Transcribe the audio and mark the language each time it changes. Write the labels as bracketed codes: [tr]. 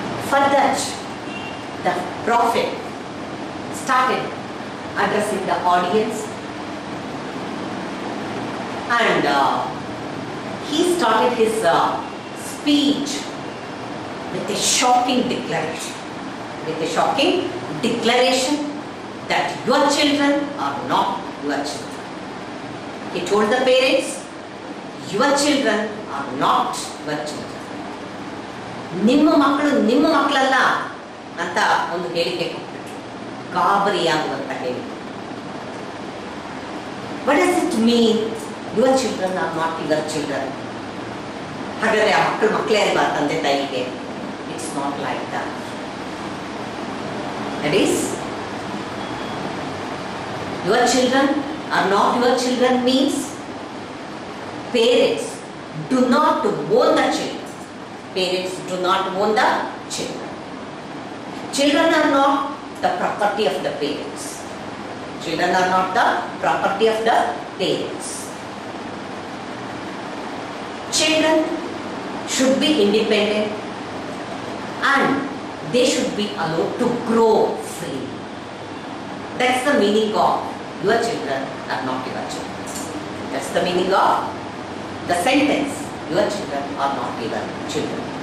[en] For that, the prophet started addressing the audience, and he started his speech with a shocking declaration. With a shocking declaration that your children are not your children. He told the parents, your children are not your children. [kn] ನಿಮ್ಮ ಮಕ್ಕಳು ನಿಮ್ಮ ಮಕ್ಕಳಲ್ಲ ಅಂತ ಒಂದು ಹೇಳಿಕೆ ಕೊಟ್ಬಿಟ್ರು, ಗಾಬರಿಯಾಗುವಂತ ಹೇಳಿಕೆ. [en] What does it mean, your children are not your children. [kn] ಹಾಗಾದ್ರೆ ಆ ಮಕ್ಕಳು ಮಕ್ಕಳೇ ಅಲ್ವಾ ತಂದೆ ತಾಯಿಗೆ? [en] It's not like that is your children are not your children means parents do not own the children. Parents do not own the children. Children are not the property of the parents. Children are not the property of the parents. Children should be independent and they should be allowed to grow free. That's the meaning of your children are not your children. That's the meaning of the sentence, your children are not your children.